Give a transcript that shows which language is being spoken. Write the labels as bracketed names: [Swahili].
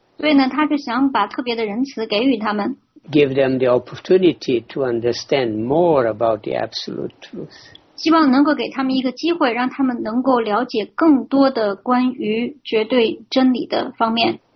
[Chinese] 所以呢他就想把特别的仁慈给予他们。 [English] Give them the opportunity to understand more about the absolute truth. [Chinese] 希望能够给他们一个机会让他们能够了解更多的关于绝对真理的方面。